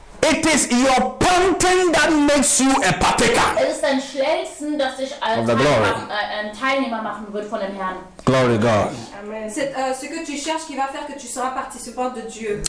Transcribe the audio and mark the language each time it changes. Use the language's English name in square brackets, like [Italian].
[English] It is your panting that makes you a partaker. [German] Es ist ein Schlelzen, das dich als Teilnehmer machen wird von dem Herrn. [English] Glory to God. Amen. [French] C'est ce que tu cherches qui va faire que tu seras participant de Dieu.